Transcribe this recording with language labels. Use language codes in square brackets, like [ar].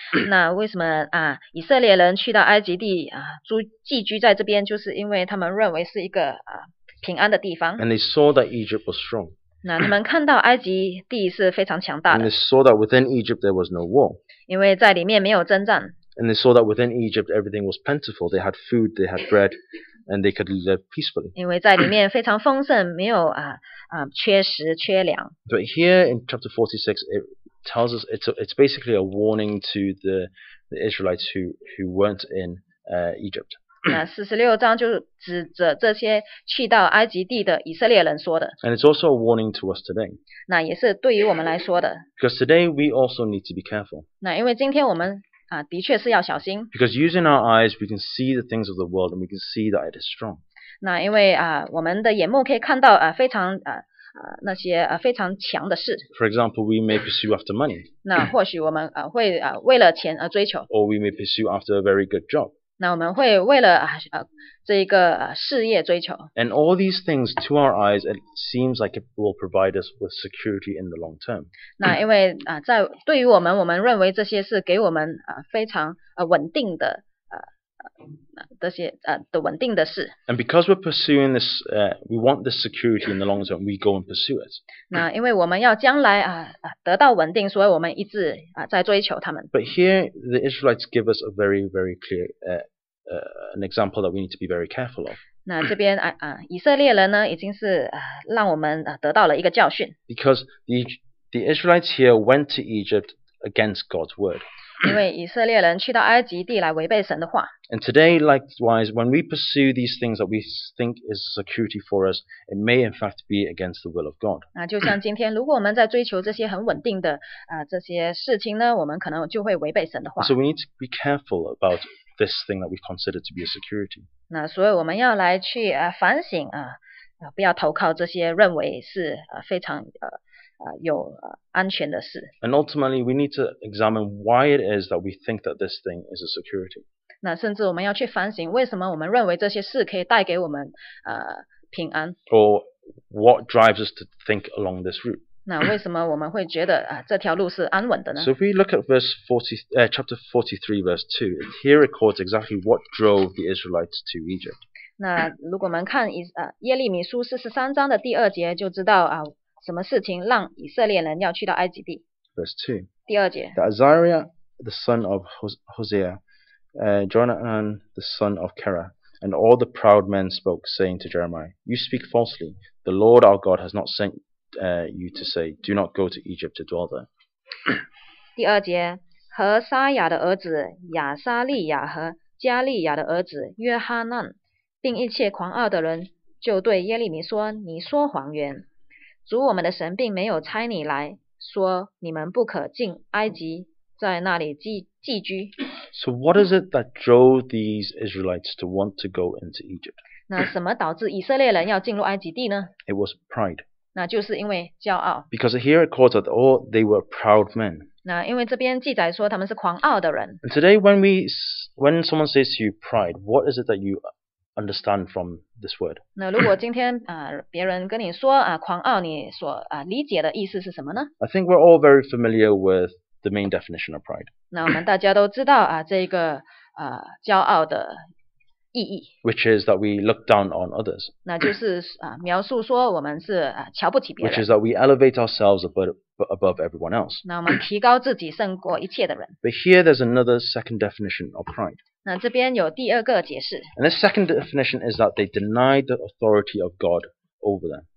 [zh] 那为什么以色列人去到埃及地寄居在这边，就是因为他们认为是一个平安的地方。 [en] And they saw that Egypt was strong. [zh] 那他们看到埃及地是非常强大的。 [en] And they saw that within Egypt there was no war. [zh] 因为在里面没有征战。 [en] And they saw that within Egypt everything was plentiful. They had food, they had bread, and they could live peacefully. [zh] 因为在里面非常丰盛，没有缺食缺粮。 [en] But here in chapter 46, it tells us it's basically a warning to the Israelites who weren't in Egypt. [zh] 那46章就指着这些去到埃及地的以色列人说的。 [en] And it's also a warning to us today. [zh] 那也是对于我们来说的。 [en] Because today we also need to be careful. [zh] 那因为今天我们的确是要小心。 [en] Because using our eyes, we can see the things of the world and we can see that it is strong. [zh] 那因为我们的眼目可以看到非常那些非常强的事。 [en] For example, we may pursue after money. [zh] 那或许我们会为了钱而追求。 [en] Or we may pursue after a very good job. [zh] 那我们会为了这一个事业追求。 [en] And all these things to our eyes, it seems like it will provide us with security in the long term. [zh] 那因为在对于我们认为这些是给我们非常稳定的这些的稳定的事。 [en] And because we're pursuing this, we want this security in the long term, we go and pursue it. [zh] 那因为我们要将来得到稳定，所以我们一直在追求他们。 [en] But here, the Israelites give us a very, very clear an example that we need to be very careful of. [zh] 那这边以色列人呢，已经是让我们得到了一个教训。 [en] Because the Israelites here went to Egypt against God's word. [zh] 因为以色列人去到埃及地来违背神的话。 [en] And today, likewise, when we pursue these things that we think is security for us, it may in fact be against the will of God. [zh] 那就像今天，如果我们在追求这些很稳定的这些事情呢，我们可能就会违背神的话。 [en] So we need to be careful about this thing that we consider to be a security. [zh] 那所以我们要来去反省不要投靠这些认为是非常有安全的事。 [en] And ultimately, we need to examine why it is that we think that this thing is a security. [zh] 那甚至我们要去反省，为什么我们认为这些事可以带给我们平安。 [en] Or what drives us to think along this route? [zh] 那为什么我们会觉得这条路是安稳的呢？ [en] So if we look at chapter 43, verse 2, it here records exactly what drove the Israelites to Egypt. [zh] 那如果我们看耶利米书43章的第二节，就知道什么事情让以色列人要去到埃及地。 [en] Verse 2. [zh] 第二节。 [en] That Azariah, the son of Hosea, Jonathan, the son of Kerah, and all the proud men spoke, saying to Jeremiah, You speak falsely. The Lord our God has not sent you to say, Do not go to Egypt to dwell there. [zh] 第二节。和沙雅的儿子亚沙利亚和加利亚的儿子约哈难，并一切狂傲的人，就对耶利米说，你说谎言。主我们的神并没有差你来说你们不可进埃及，在那里寄居。 [en] So what is it that drove these Israelites to want to go into Egypt? [zh] 那什么导致以色列人要进入埃及地呢？ [en] It was pride. [zh] 那就是因为骄傲。 [en] Because here it calls that all they were proud men. [zh] 那因为这边记载说他们是狂傲的人。 [en] And today when someone says to you pride, what is it that you understand from this word? [zh] 那如果今天别人跟你说狂傲，你所理解的意思是什么呢？ [en] I think we're all very familiar with the main definition of pride. [zh] 那我们大家都知道这个骄傲的意义。 [en] Which is that we look down on others. [zh] 那就是描述说我们是瞧不起别人。 [en] Which is that we elevate ourselves above everyone else. [zh] 那我们提高自己胜过一切的人。 [en] But here there's another second definition of pride. [zh] 那这边有第二个解释。 [en] And the second definition is that they deny the authority of God over them.